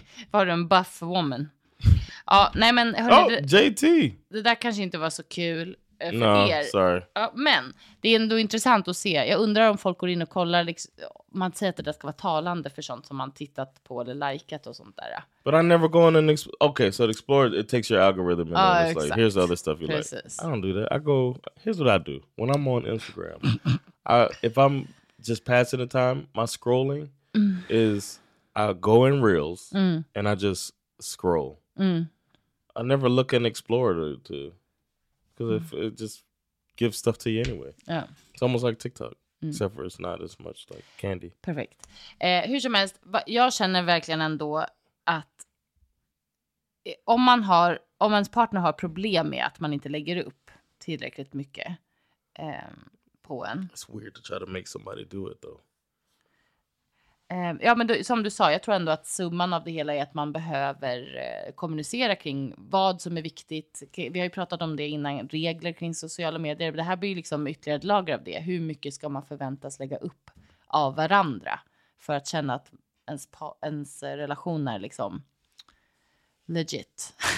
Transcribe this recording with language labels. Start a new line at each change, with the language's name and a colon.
Swedish: Var du en
English: buff woman?
Swedish: Ja, nej men... Hörni, JT! Det där kanske inte var så kul. för er.
English: Sorry.
Swedish: Men det är ändå intressant att se. Jag undrar om folk går in och kollar. Liksom, man säger att det ska vara talande för sånt som man tittat på eller likat och sånt där.
English: But I never go on and okay, so explore, it takes your algorithm. And it's like, here's the other stuff you like. I don't do that. I go, here's what I do. When I'm on Instagram, if I'm just passing the time, my scrolling is I go in reels and I just scroll. I never look and explore to because it just gives stuff to you anyway. Yeah. It's almost like TikTok, except for it's not as much like candy. Perfect.
Swedish: Hur som helst, jag känner verkligen ändå att om ens partner har problem med att man inte lägger upp tillräckligt mycket på en.
English: It's weird to try to make somebody do it though.
Swedish: Ja, men då, som du sa, jag tror ändå att summan av det hela är att man behöver kommunicera kring vad som är viktigt. Vi har ju pratat om det innan, regler kring sociala medier. Det här blir ju liksom ytterligare ett lager av det. Hur mycket ska man förväntas lägga upp av varandra för att känna att ens relation är liksom legit?